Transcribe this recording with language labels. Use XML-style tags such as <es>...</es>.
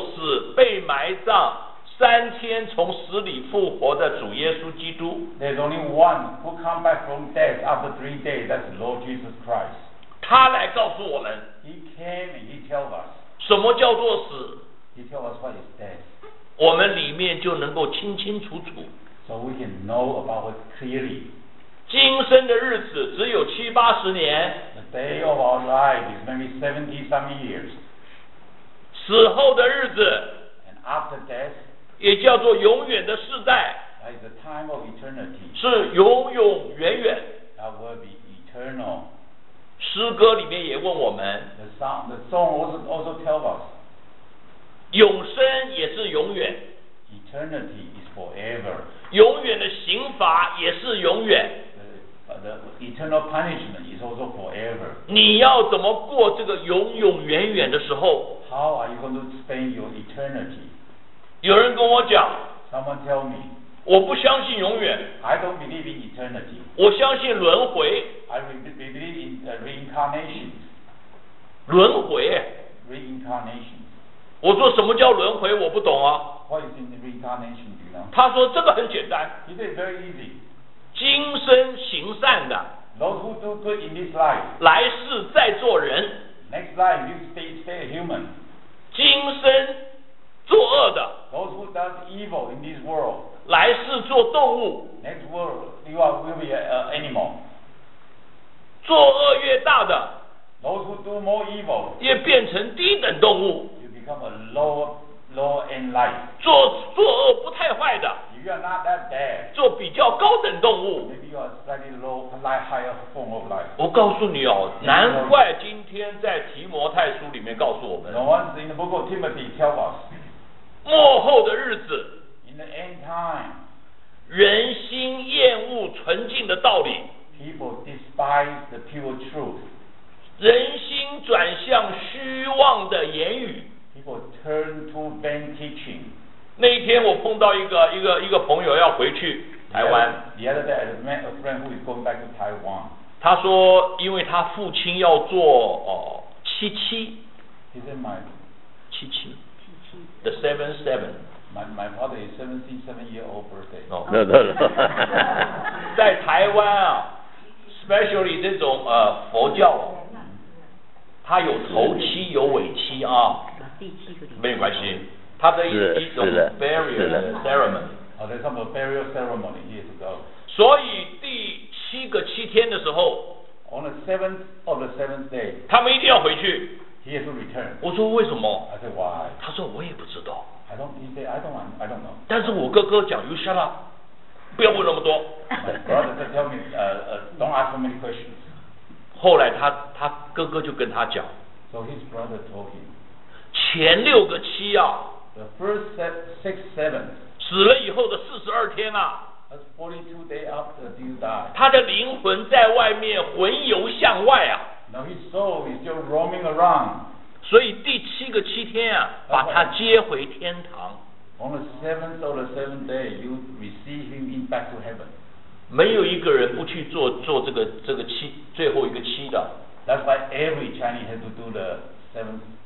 <zh>只有一位为我们曾经来到地上受死被埋葬 3000从死里复活的主耶稣基督</zh> <en>There's only one who come back from death after 3 days That's the Lord Jesus Christ</en> <zh>他来告诉我们</zh> <en>He came and he tell us</en> <zh>什么叫做死</zh> <en>He tell us what is death</en> <zh>我们里面就能够清清楚楚</zh> <en>So we can know about it clearly</en> <zh>今生的日子只有70-80年</zh> <en>The day of our life is maybe 70 some years</en> <zh>死后的日子</zh> <en>And after death</en> <zh>也叫做永远的世代</zh> <en>That is the time of eternity</en> <zh>是永永远远</zh> <en>That will be eternal</en> <zh>诗歌里面也问我们</zh> <en>the song also tell us</en> <zh>永生也是永远</zh> <en>Eternity is forever</en> <zh>永远的刑罚也是永远</zh> <en>the eternal punishment is also forever</en> <zh>你要怎么过这个永永远远的时候</zh> <en>How are you going to spend your eternity</en> <zh>有人跟我讲</zh> <en>Someone tell me</en> <zh>我不相信永远</zh> <en>I don't believe in eternity</en> <zh>我相信轮回</zh> <en>I believe in reincarnation</en> <zh>轮回</zh> <en>Reincarnation</en> <zh>我说什么叫轮回我不懂啊</zh> <en>What is in reincarnation you know?</en> <zh>他说这个很简单</zh> <en>He said very easy</en> <zh>今生行善的</zh> <en>Those who do good in this life</en> <zh>来世再做人</zh> <en>Next life you stay a human</en> <zh>今生 作恶的</zh> <en>Those who does evil in this world</en> <zh>来世做动物</zh> <en>Next world you are, will be an animal</en> <zh>作恶越大的</zh> <en>Those who do more evil</en> <zh>也变成低等动物</zh> <en>You become become a low end life.</en> <zh>做恶不太坏的。</zh> <en>You are not that bad.</en> <zh>做比较高等动物。</zh> <en>Maybe you are slightly low, like higher form of life.</en> <zh>我告诉你哦，难怪今天在提摩太书里面告诉我们。</zh> <en>The ones in the book of Timothy tell us.</en> <zh>末后的日子。</zh> <en>In the end time.</en> <zh>人心厌恶纯净的道理。</zh> <en>People despise the pure truth.</en> <zh>人心转向虚妄的言语。</zh> <en>People turn to vain teaching.</en> <zh>那一天我碰到一个朋友要回去台湾。</zh> <en>The other day I met a friend who is going back to Taiwan.</en> <zh>他说因为他父亲要做七七。</zh> <en>He said my</en> <zh>七七。七七。</zh> <en>The seven seven. My father is 77 year old birthday. No, no, no.</en> <zh>在台湾啊 ，especially 这种佛教，它有头七有尾七啊。第七没关系，它的一种</zh> <en>burial ceremony. Oh, there's some burial ceremony years ago.</en> <zh>所以第七个七天的时候</zh> <en>，on the seventh of the seventh day，</en> <zh>他们一定要回去。</zh> <en>He has to return.</en> <zh>我说为什么</zh> <en>？I said why.</en> <zh>他说我也不知道。</zh> <en>I don't know.</en> <zh>但是我哥哥讲 ，</zh> <en>You shut up，</en> <zh>不要问那么多。</zh> <en>My brother said, tell me, don't ask so many questions.</en> <zh>后来他哥哥就跟他讲。</zh> <en>So his brother told him.</en> <zh>前六个七啊。</zh> <en>The first six seven.</en> <zh>死了以后的42天啊。</zh> <en>That's 42 days after you die.</en> <zh>他的灵魂在外面魂游向外啊。</zh> <en>Now his soul is still roaming around.</en> <zh>所以第七个七天啊，把他接回天堂。</zh> <en>On the seventh or the seventh day, you receive him back to heaven.</en> <zh>没有一个人不去做这个七最后一个七的。</zh> <en>That's why every Chinese has to do the seventh.</en>